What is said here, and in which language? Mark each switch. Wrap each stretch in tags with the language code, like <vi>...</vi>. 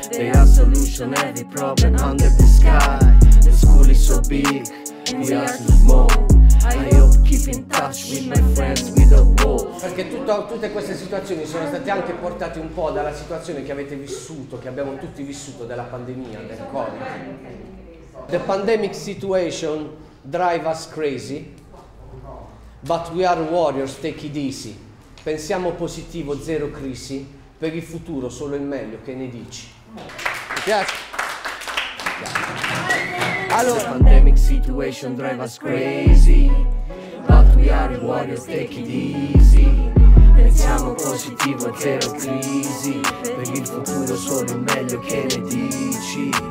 <en>They are solution every problem under the sky. The school is so big, we are too small. I hope keep in touch with my friends with the world.</en> <it>Perché tutte queste situazioni sono state anche portate un po' dalla situazione che avete vissuto, che abbiamo tutti vissuto, della pandemia, del Covid.</it> <en>The pandemic situation drive us crazy, but we are warriors, take it easy.</en> <it>Pensiamo positivo, zero crisi, per il futuro solo il meglio, che ne dici? Mi piace. Allora.</it> <en>The pandemic situation drive us crazy, but we are warriors, take it easy.</en> <it>Pensiamo positivo, zero crisi, per il futuro solo il meglio, che ne dici?</it>